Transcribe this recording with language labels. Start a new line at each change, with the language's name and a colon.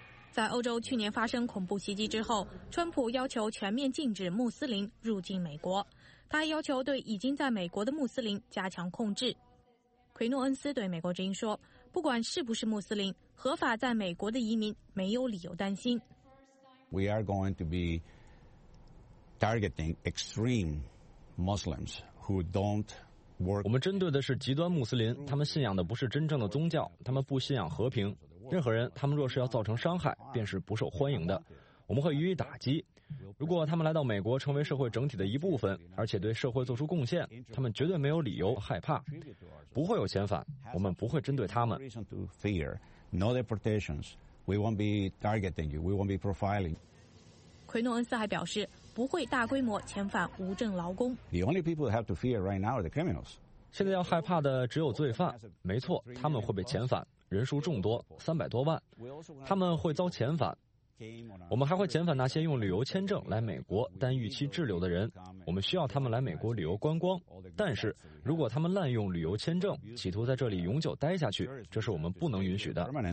Chinese: 在欧洲去年发生恐怖袭击之后，川普要求全面禁止穆斯林入境美国，他还要求对已经在美国的穆斯林加强控制。奎诺恩斯对美国之音说，不管是不是穆斯林，合法在美国的移民没有理由担心。
English: We are going to be targeting extreme Muslims who don't work.
Chinese: 我们针对的是极端穆斯林，他们信仰的不是真正的宗教，他们不信仰和平。任何人，他们若是要造成伤害，便是不受欢迎的。我们会予以打击。如果他们来到美国，成为社会整体的一部分，而且对社会做出贡献，他们绝对没有理由害怕，不会有遣返，我们不会针对他们。
English: No deportations. We won't be targeting you. We won't be profiling.
Chinese: 奎诺恩斯还表示，不会大规模遣返无证劳工。
English: The only people that have to fear right now are the criminals.
Chinese: 现在要害怕的只有罪犯。没错，他们会被遣返，人数众多，300多万，他们会遭遣返。我们还会遣返那些用旅游签证来美国但逾期滞留的人，我们需要他们来美国旅游观光，但是如果他们滥用旅游签证企图在这里永久待下去，这是我们不能允许的。